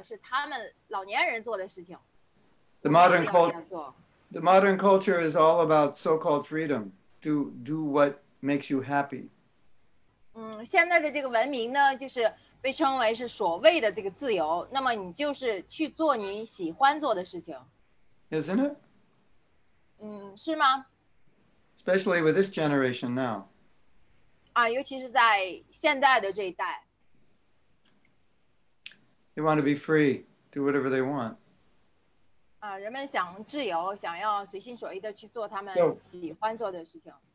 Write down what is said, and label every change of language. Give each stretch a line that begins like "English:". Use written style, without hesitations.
Chinese: 当我们看到那些老年人,就是老一辈他们在做的事情的时候呢,我们总是说,哎呀,这都是老过时的了,是他们老年人做的事情。
English: The modern culture is all about so-called freedom. Do what makes you happy.
Chinese: 现在的这个文明呢,就是被称为是所谓的这个自由, 那么你就是去做你喜欢做的事情。
English: Isn't it?
Chinese: 是吗?
English: Especially with this generation now.
Chinese: 尤其是在现在的这一代。
English: They want to be free, do whatever they want.
Chinese: 人们想自由, 想要随心所欲地去做他们喜欢做的事情。